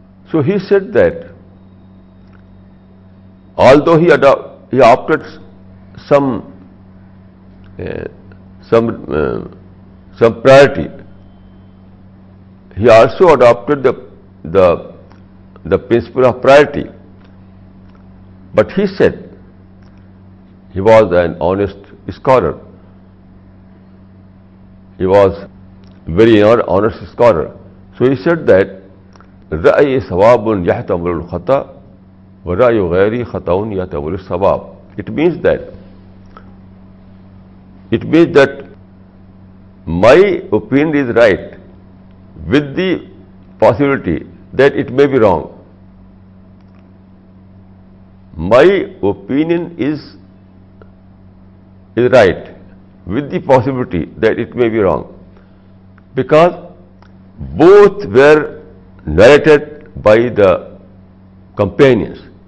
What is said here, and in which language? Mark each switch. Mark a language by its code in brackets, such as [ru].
[en] So he said that although he opted some priority, he also adopted the principle of priority. But he said he was an honest scholar. He was very honest scholar. So he said that [ar] رأي صواب يحتمل الخطأ ورأي غير خطأ يحتمل الصواب. [en] It means that my opinion is right with the possibility that it may be wrong. My opinion is right with the possibility that it may be wrong, because both were narrated by the companions.